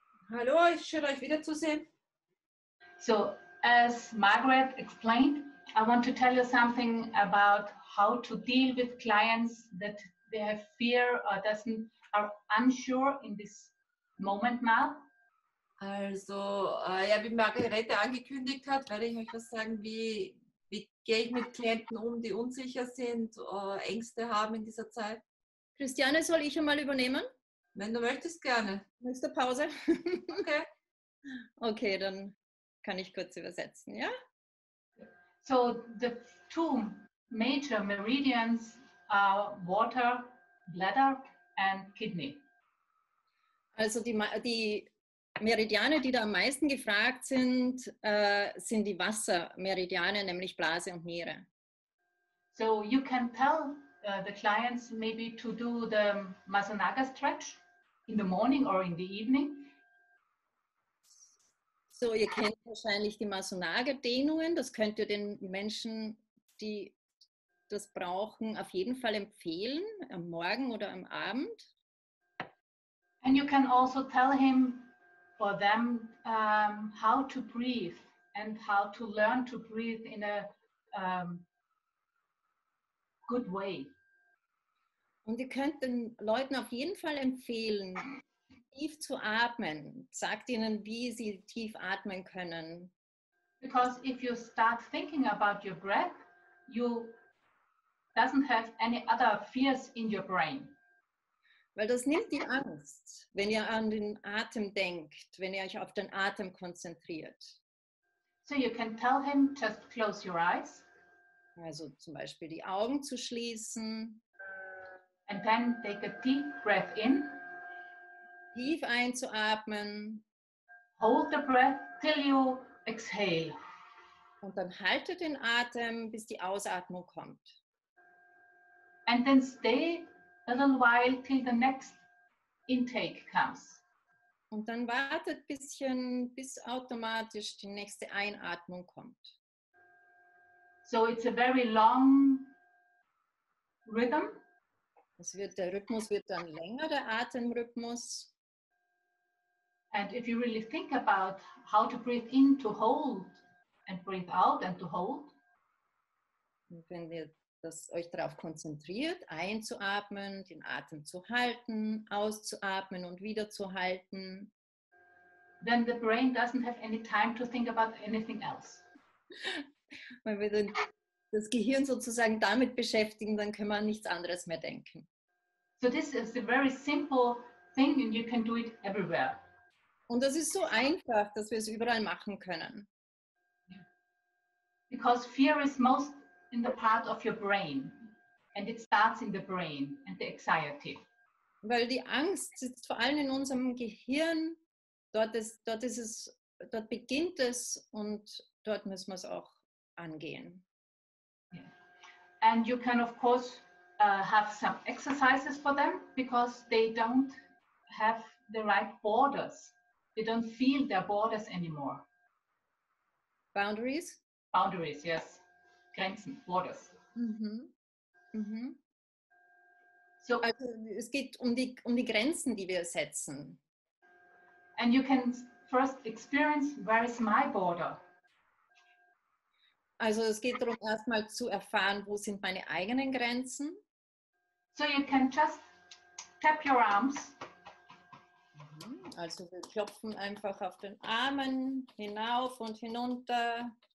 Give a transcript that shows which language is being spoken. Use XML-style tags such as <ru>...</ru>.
<de>Hallo, schön euch wiederzusehen.</de> <en>So, as Margaret explained, I want to tell you something about how to deal with clients that they have fear or are unsure in this moment now.</en> <de>Also, ja, wie Margarete angekündigt hat, werde ich euch was sagen, wie gehe ich mit Klienten um, die unsicher sind, Ängste haben in dieser Zeit. Christiane, soll ich einmal übernehmen? Wenn du möchtest, gerne. Nächste Pause. Okay. Okay, dann kann ich kurz übersetzen, ja?</de> <en>So, the two major meridians are water, bladder and kidney.</en> <de>Also die Meridiane, die da am meisten gefragt sind, sind die Wassermeridiane, nämlich Blase und Niere.</de> <en>So you can tell the clients maybe to do the Masanaga stretch in the morning or in the evening.</en> <de>So ihr kennt wahrscheinlich die Masanaga Dehnungen, das könnt ihr den Menschen, die das brauchen, auf jeden Fall empfehlen, am Morgen oder am Abend.</de> <en>And you can also tell him or them how to breathe and how to learn to breathe in a good way.</en> <de>Und ihr könnt den Leuten auf jeden Fall empfehlen, tief zu atmen. Sagt ihnen, wie sie tief atmen können.</de> <en>Because if you start thinking about your breath, you doesn't have any other fears in your brain.</en> <de>Weil das nimmt die Angst, wenn ihr an den Atem denkt, wenn ihr euch auf den Atem konzentriert.</de> <en>So you can tell him, just close your eyes.</en> <de>Also zum Beispiel die Augen zu schließen.</de> <en>And then take a deep breath in.</en> <de>Tief einzuatmen.</de> <en>Hold the breath till you exhale.</en> <de>Und dann halte den Atem, bis die Ausatmung kommt.</de> <en>And then stay a little while till the next intake comes.</en> <de>Und dann wartet ein bisschen, bis automatisch die nächste Einatmung kommt.</de> <en>So it's a very long rhythm.</en> <de>Es wird, der Rhythmus wird dann länger, der Atemrhythmus.</de> <en>And if you really think about how to breathe in to hold and breathe out and to hold.</en> <de>Und wenn ihr das euch darauf konzentriert, einzuatmen, den Atem zu halten, auszuatmen und wieder zu halten.</de> <en>Then the brain doesn't have any time to think about anything else.</en> <de>Wenn wir dann das Gehirn sozusagen damit beschäftigen, dann können wir an nichts anderes mehr denken.</de> <en>So this is a very simple thing and you can do it everywhere.</en> <de>Und das ist so einfach, dass wir es überall machen können.</de> <en>Because fear is most in the part of your brain. And it starts in the brain and the anxiety.</en> <de>Weil die Angst sitzt vor allem in unserem Gehirn. Dort beginnt es und dort müssen wir es auch angehen.</de> <en>Yeah. And you can of course have some exercises for them because they don't have the right borders. They don't feel their borders anymore. Boundaries? Boundaries, yes. Grenzen, borders. Mm-hmm. Mm-hmm.</en> <de>So, also, es geht um die Grenzen, die wir setzen.</de> <en>And you can first experience, where is my border?</en> <de>Also es geht darum, erstmal zu erfahren, wo sind meine eigenen Grenzen.</de> <en>So you can just tap your arms.</en> <de>Also wir klopfen einfach auf den Armen hinauf und hinunter.</de>